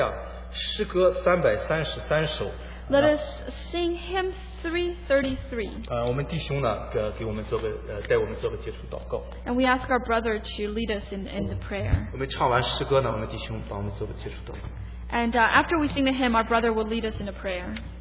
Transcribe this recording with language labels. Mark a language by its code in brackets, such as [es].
[zh] 我们可不可以来唱一下诗歌333首？ [en] Let us sing hymn 333. [zh] 我们弟兄呢，给我们做个结束祷告。 [en] And we ask our brother to lead us in the prayer. [zh] 我们唱完诗歌呢，我们弟兄帮我们做个结束祷告。 [en] And after we sing the hymn, our brother will lead us in a prayer.